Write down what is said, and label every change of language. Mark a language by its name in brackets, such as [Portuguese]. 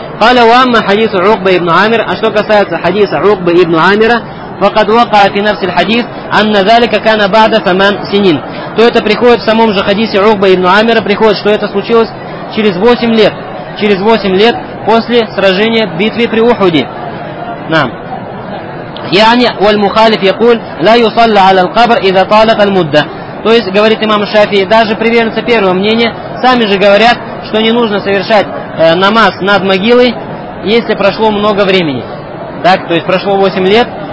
[Arabic] Каля уамма хадису Рукба ибн Амир, [Russian] а что касается хадиса Рукба ибн Амира, [Arabic] فقد وقع في نفس الحديث أن ذلك كان بعد ثمان سنين. [Russian] То это приходит в самом же хадисе Рухба ибн Амира, приходит, что это случилось через 8 лет. Через 8 лет после сражения в битве при Ухуде. [Arabic] يعني والمخالف يقول لا يصلى على القبر إذا طالت المدة. [Russian] То есть, говорит имам Шафии, даже приверженцы первого мнения сами же говорят, что не нужно совершать намаз над могилой, если прошло много времени. Так, то есть прошло 8 лет.